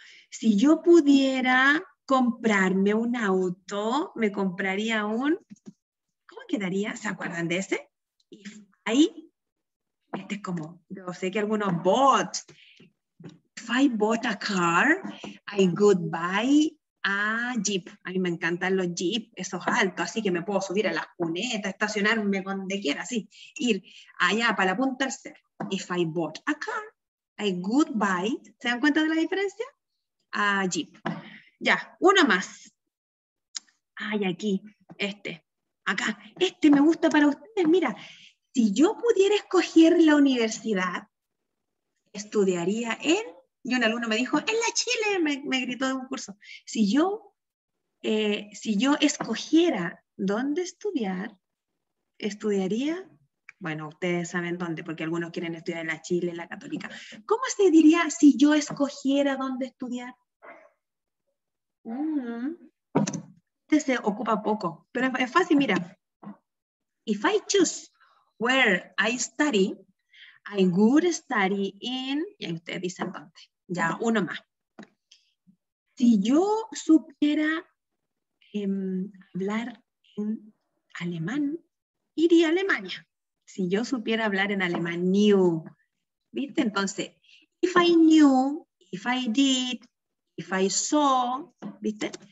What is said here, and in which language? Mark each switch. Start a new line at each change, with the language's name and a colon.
Spanish: Si yo pudiera comprarme un auto, me compraría un, ¿cómo quedaría? ¿Se acuerdan de ese?
English: If I,
Spanish: este es como, yo sé que algunos bought.
English: If I bought a car, I could buy a Jeep.
Spanish: A mí me encantan los Jeep, esos altos, así que me puedo subir a las cunetas, estacionarme donde quiera, así, ir allá para la punta del cerro.
English: If I bought a car, I could buy,
Spanish: ¿se dan cuenta de la diferencia?
English: A Jeep.
Spanish: Ya, uno más. Ay, aquí, este. Acá, este me gusta para ustedes. Mira, si yo pudiera escoger la universidad, estudiaría en, y un alumno me dijo, en la Chile, me gritó de un curso. Si yo escogiera dónde estudiar, estudiaría bueno, ustedes saben dónde, porque algunos quieren estudiar en la Chile, en la Católica. ¿Cómo se diría si yo escogiera dónde estudiar? Este se ocupa poco, pero es fácil, mira.
English: If I choose where I study, I would study in...
Spanish: Y ahí ustedes dicen dónde. Ya, uno más. Si yo supiera hablar en alemán, iría a Alemania. Si yo supiera hablar en alemán, knew. ¿Viste?
English: Entonces, if I knew, if I did, if I saw, ¿viste?